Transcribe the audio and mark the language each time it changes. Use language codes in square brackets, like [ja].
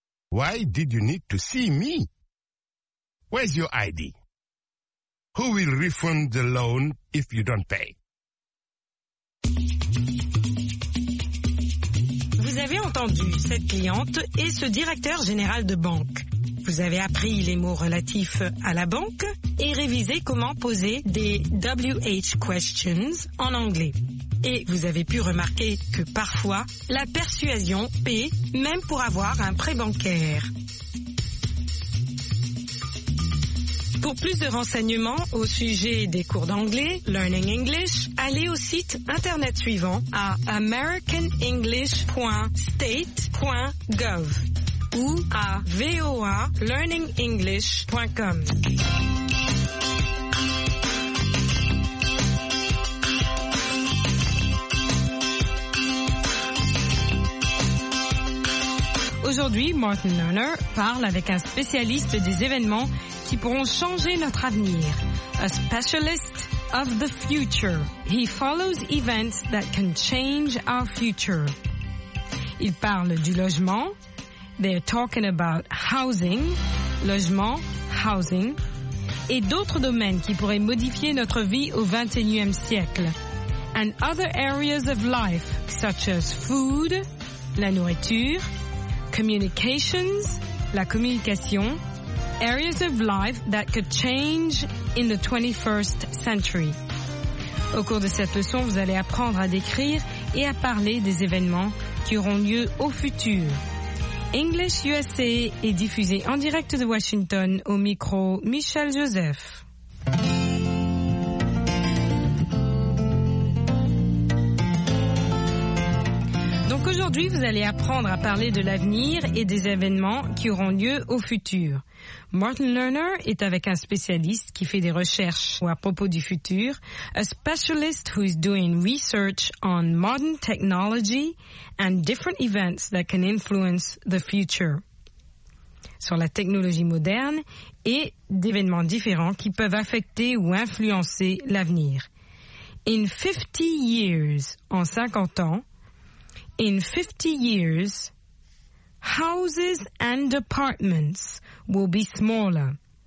[en] Why did you need to see me? Where's your ID? Who will refund the loan if you don't pay? [fr] Vous avez entendu cette cliente et ce directeur général de banque. Vous avez appris les mots relatifs à la banque et révisé comment poser des WH questions en anglais. Et vous avez pu remarquer que parfois, la persuasion paie même pour avoir un prêt bancaire. Pour plus de renseignements au sujet des cours d'anglais, Learning English, allez au site internet suivant à americanenglish.state.gov ou à voalearningenglish.com. Aujourd'hui, Martin Lerner parle avec un spécialiste des événements qui pourront changer notre avenir. [en] A specialist of the future. He follows events that can change our future. [fr] Il parle du logement. [en] They're talking about housing. [fr] Logement, housing. Et d'autres domaines qui pourraient modifier notre vie au 21e siècle. [en] And other areas of life, such as food, [fr] la nourriture, [en] communications, [fr] la communication, [en] areas of life that could change in the 21st century. [fr] Au cours de cette leçon, vous allez apprendre à décrire et à parler des événements qui auront lieu au futur. English USA est diffusé en direct de Washington au micro Michel Joseph. Aujourd'hui, vous allez apprendre à parler de l'avenir et des événements qui auront lieu au futur. Martin Lerner est avec un spécialiste qui fait des recherches à propos du futur, [en] a specialist who is doing research on modern technology and different events that can influence the future. [fr] Sur la technologie moderne et d'événements différents qui peuvent affecter ou influencer l'avenir. [en] In 50 years, [fr] en 50 ans, [en] In 50 years, houses and apartments will be smaller.